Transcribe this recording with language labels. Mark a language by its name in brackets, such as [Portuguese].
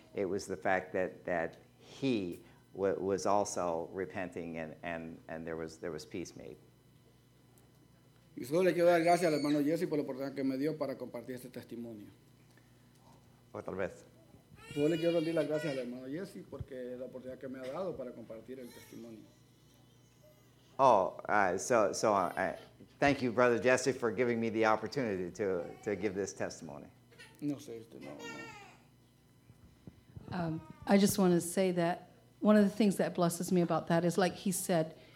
[English] It was the fact that he was also repenting and there was peace made. [Spanish] Y solo le quiero dar gracias al hermano Jesse por la oportunidad que me dio para compartir este testimonio. Otra vez. Solo le quiero dar las gracias al hermano Jesse porque la oportunidad que me ha dado para compartir el testimonio. [English] Oh, so thank you, brother Jesse, for giving me the opportunity to give this testimony. [Spanish] No sé, este no. [English] I just want to say that one of the things that blesses me about that is, like he said,